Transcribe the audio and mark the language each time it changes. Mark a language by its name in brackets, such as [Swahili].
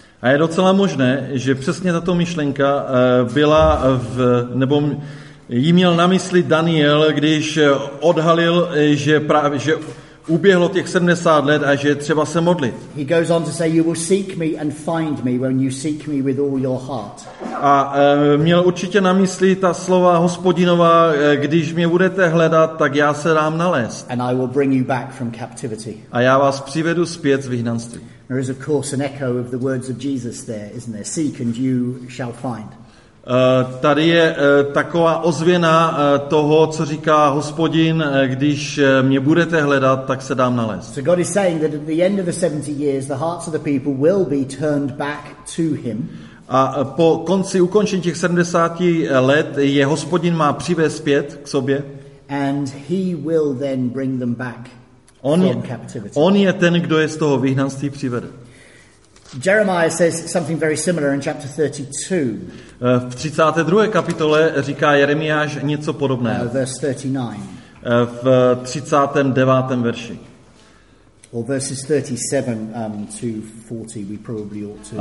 [Czech] A je docela možné, že přesně tato myšlenka byla nebo jí měl na mysli Daniel, když odhalil, že uběhlo těch 70 let a že třeba se modlit. [English] He goes on to say, you will seek me and find me when you seek me with all your heart. [Czech] A měl určitě na mysli ta slova Hospodinova, když mě budete hledat, tak já se dám nalézt. [English] And I will bring you back from captivity. [Czech] A já vás přivedu zpět z vyhnanství. [English] There is of course an echo of the words of Jesus there, isn't there? Seek and you shall find. [Czech] Tady je taková ozvěna toho, co říká Hospodin, když mě budete hledat, tak se dám nalézt. [English] So God is saying that at the end of the 70 years the hearts of the people will be turned back to him. [Czech] A po konci ukončení těch 70 let je Hospodin má přivést zpět k sobě. [English] And he will then bring them back from captivity. [Czech] On je ten, kdo je z toho vyhnanství přivede. [English] Jeremiah says something very similar in chapter 32. [Czech] V 32. kapitole říká Jeremiáš něco podobného. [English] Verse 39. [Czech] V 39. verši. [English] Or verses 37 to 40 we probably ought to.